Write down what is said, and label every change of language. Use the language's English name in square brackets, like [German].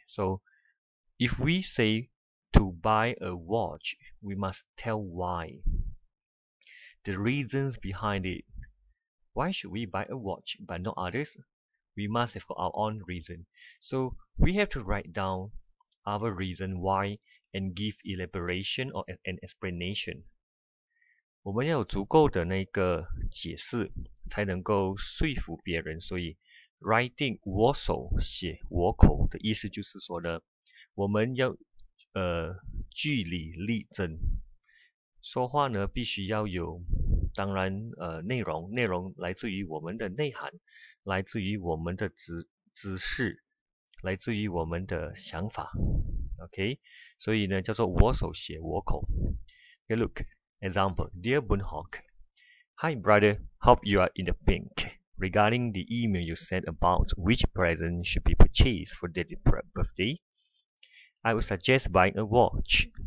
[English] So if we say to buy a watch, we must tell why, the reasons behind it. Why should we buy a watch but not others? We must have our own reason. So we have to write down our reason why and give elaboration or an explanation. [Chinese] 我们要有足够的那个解释 才能够说服别人, 所以 writing 我手, 写我口 的意思就是说呢, 我们要 据理力争, 说话呢, 必须要有, 当然, 内容, 内容来自于我们的内涵, 来自于我们的知识, 来自于我们的想法, okay? 所以呢, 叫做我手写我口, [English] okay, look, example, Dear Boon Hock, Hi brother, hope you are in the pink. Regarding the email you sent about which present should be purchased for daddy's birthday, I would suggest buying a watch.